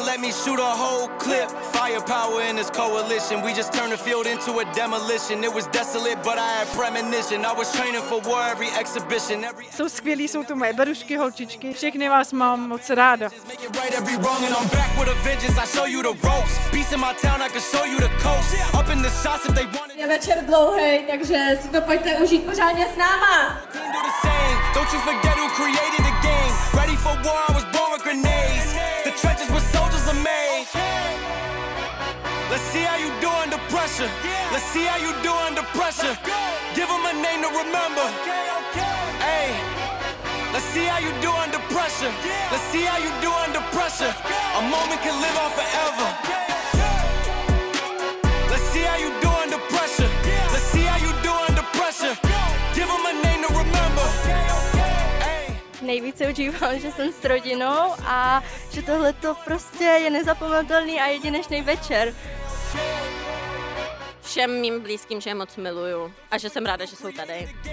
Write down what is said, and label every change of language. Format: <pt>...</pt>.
<en>Shoot a whole clip. Firepower in this coalition. We just turned the field into a demolition. It was desolate, but I had premonition. I was training for war every exhibition.</en> <cs>Jsou skvělý, jsou tu moje berušky, holčičky. Všechny vás mám moc ráda.</cs> <en>I'm back with a vengeance. I show you the ropes. Beast in my town, I can show you the coast. Up in the shots if they want it.</en> <cs>Je večer dlouhej, takže si to pojďte užít pořádně s náma.</cs> <en>Don't you forget who created the game. Ready for war, I was born with grenades. The trenches were soldiers of May. Let's see how you do under pressure. Let's see how you do under pressure. Give them a name to remember. Hey, let's see how you do under pressure. Let's see how you do under pressure. A moment can live on forever. Let's see how you do under pressure. Let's see how you do under pressure. Give them a name to remember.</en> <cs>Nejvíce užívám, že jsem s rodinou a že tohle to prostě je nezapomenutelný a jedinečný večer. Všem mým blízkým, že je moc miluju a že jsem ráda, že jsou tady.</cs>